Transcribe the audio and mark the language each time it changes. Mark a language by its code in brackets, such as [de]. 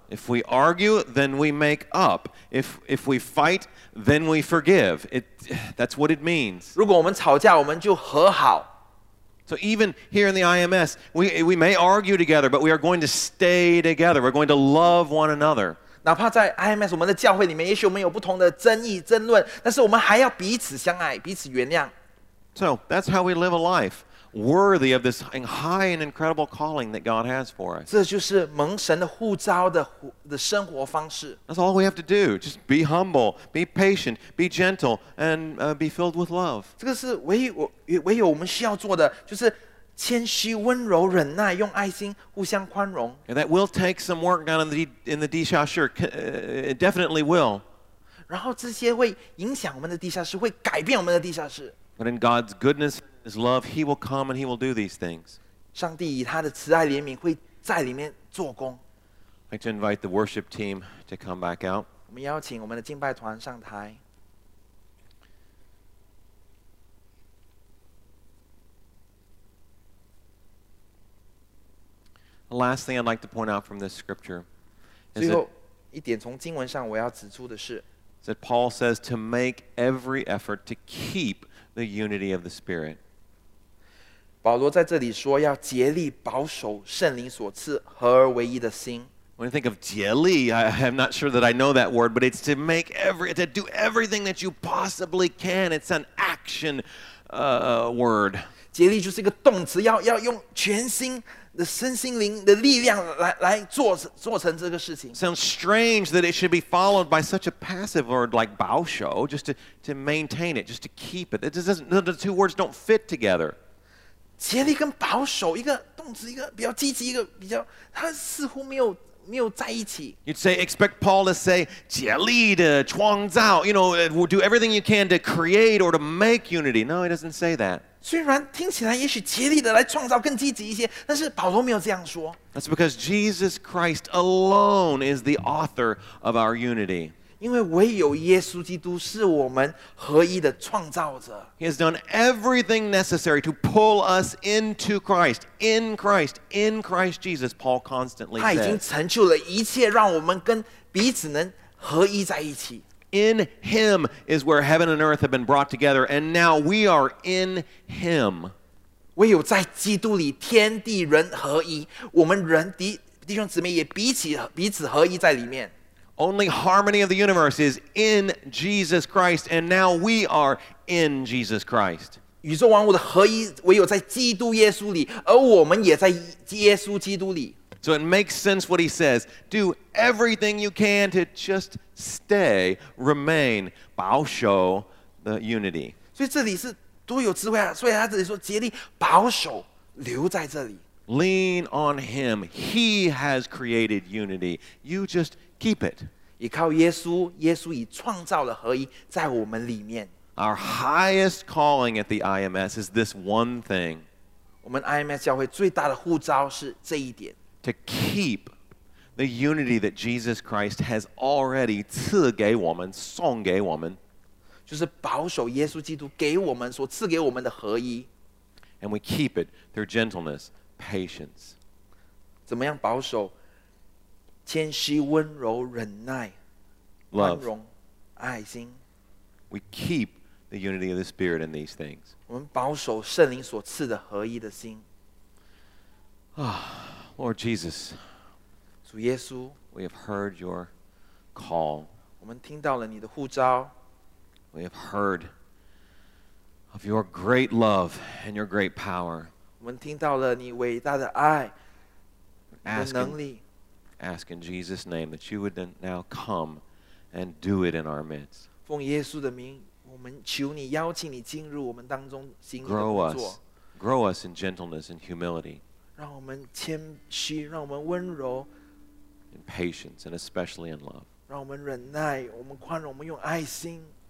[en] If we argue, then we make up. If we fight, then we forgive. That's what it means. [zh] 如果我们吵架，我们就和好。 [en] So even here in the IMS, we may argue together, but we are going to stay together. We're going to love one another. [zh] 哪怕在 IMS 我们的教会里面，也许我们有不同的争议争论，但是我们还要彼此相爱，彼此原谅。 [en] So that's how we live a life. Worthy of this high and incredible calling that God has for us. [zh] 这就是蒙神的呼召的生活方式。 [en] That's all we have to do. Just be humble, be patient, be gentle, and be filled with love. [zh] 这个是唯有我们需要做的，就是谦虚、温柔、忍耐，用爱心互相宽容。 [en] And that will take some work down in the地下室. It definitely will. [zh] 然后这些会影响我们的地下室，会改变我们的地下室。 [en] But in God's goodness. His love, He will come and He will do these things. [zh] 上帝以他的慈爱怜悯会在里面做工。 [en] I'd like to invite the worship team to come back out. [zh] 我们邀请我们的敬拜团上台。 [en] The last thing I'd like to point out from this scripture [zh] is 最后一点从经文上我要指出的是 [en] is that Paul says to make every effort to keep the unity of the Spirit. [zh] 保罗在这里说要竭力保守圣灵所赐合而为一的心。 [en] When you think of 竭力, I'm not sure that I know that word, but it's to make to do everything that you possibly can. It's an action word. [zh] 竭力就是一个动词，要用全心的身心灵的力量来做成这个事情。 [en] Sounds strange that it should be followed by such a passive word like 保守, just to maintain it, just to keep it. The two words don't fit together. [zh] 竭力跟保守，一个动词，一个比较积极，一个比较，它似乎没有在一起。 [en] You'd say expect Paul to say [zh] 竭力的创造 [en] ，you know, do everything you can to create or to make unity. No, he doesn't say that. [zh] 虽然听起来也许竭力的来创造更积极一些，但是保罗没有这样说。 [en] That's because Jesus Christ alone is the author of our unity. [zh] 因为唯有耶稣基督是我们合一的创造者。 [en] He has done everything necessary to pull us into Christ, in Christ, in Christ Jesus, Paul constantly says. [zh] 他已经成就了一切让我们跟彼此能合一在一起。 [en] In Him is where heaven and earth have been brought together, and now we are in Him. [zh] 唯有在基督里天地人合一，我们人弟兄姊妹也彼此合一在里面。 [en] Only harmony of the universe is in Jesus Christ, and now we are in Jesus Christ. [zh] 宇宙万物的合一唯有在基督耶稣里，而我们也在耶稣基督里。 [en] So it makes sense what he says. Do everything you can to just stay, remain, 保守 the unity. [zh] 所以这里是多有智慧啊！所以他这里说竭力保守留在这里。 [en] Lean on Him. He has created unity. You just keep it. [zh] 依靠耶稣，耶稣已创造了合一在我们里面。 [en] Our highest calling at the IMS is this one thing. [zh] 我们 IMS 教会最大的呼召是这一点。 [en] To keep the unity that Jesus Christ has already [zh] 赐给我们，送给我们。就是保守耶稣基督给我们所赐给我们的合一。 [en] And we keep it through gentleness. Patience. [zh] 怎么样保守？谦虚、温柔、忍耐、 [en] Love. [zh] 宽容、爱心。 [en] We keep the unity of the Spirit in these things. [zh] 我们保守圣灵所赐的合一的心。 [en] Lord Jesus. [zh] 主耶稣。 [en] We have heard your call. [zh] 我们听到了你的呼召。 [en] We have heard of your great love and your great power. [zh] 我们听到了你伟大的爱的能力。 [en] Ask in Jesus' name that you would now come and do it in our midst. [zh] 奉耶稣的名，我们求你邀请你进入我们当中行你的工作。 [en] Grow us in gentleness and humility. [zh] 让我们谦虚，让我们温柔。 [en] In patience and especially in love. [zh] 让我们忍耐，我们宽容，我们用爱心。